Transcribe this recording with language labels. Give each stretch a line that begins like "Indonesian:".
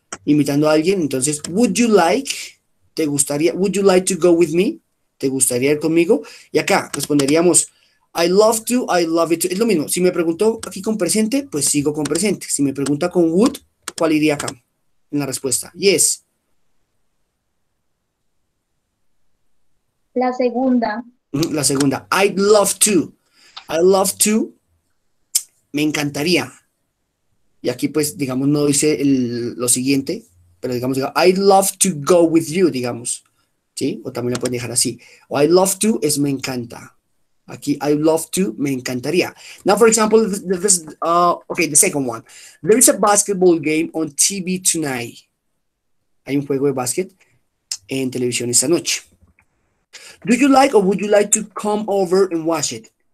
Spanish: invitando a alguien, entonces,
English: would you like,
Spanish: te gustaría,
English: would you like to go with me?
Spanish: ¿Te gustaría ir conmigo? Y acá responderíamos,
English: I love to, I love it to.
Spanish: Es lo mismo, si me preguntó aquí con presente, pues sigo con presente. Si me pregunta con would, ¿cuál iría acá en la respuesta? Yes. La segunda. La segunda,
English: I'd love to. I love to.
Spanish: Me encantaría. Y aquí, pues, digamos, no dice lo siguiente, pero digamos,
English: I'd love to go with you,
Spanish: digamos. ¿Sí? O también lo pueden dejar así. O
English: I'd love to
Spanish: es me encanta. Aquí, I'd love to, me encantaría.
English: Now, for example, okay, the second one. There is a basketball game on TV tonight.
Spanish: Hay un juego de básquet en televisión esta noche.
English: Do you like or would you like to come over and watch it?